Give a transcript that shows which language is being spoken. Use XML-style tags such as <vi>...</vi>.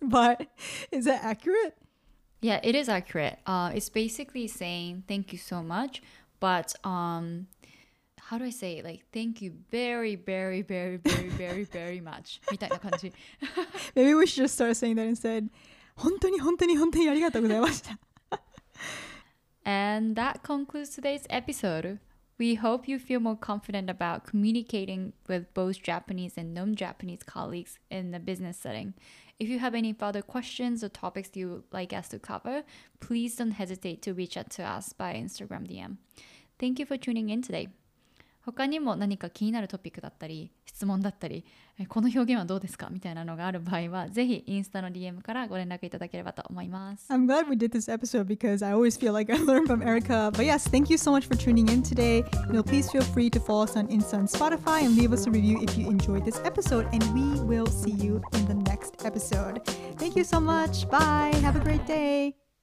<en>But is that accurate? Yeah, it is accurate. It's basically saying thank you so much, but how do I say it? Like, thank you very, very, very, very, very, very much. Maybe we should just start saying that instead.</en> <ja>本当に本当に本当にありがとうございました。</ja> <en>And that concludes today's episode. We hope you feel more confident about communicating with both Japanese and non-Japanese colleagues in the business setting. If you have any further questions or topics you would like us to cover, please don't hesitate to reach out to us by Instagram DM. Thank you for tuning in today.</en> <ja>他にも何か気になるトピックだったり、質問だったり、この表現はどうですかみたいなのがある場合は、ぜひインスタの DM からご連絡いただければと思います。</ja> <en>I'm glad we did this episode because I always feel like I learned from Erica. But yes, thank you so much for tuning in today. Now please feel free to follow us on Insta and Spotify and leave us a review if you enjoyed this episode. And we will see you in the next episode. Thank you so much. Bye. Have a great day.</en>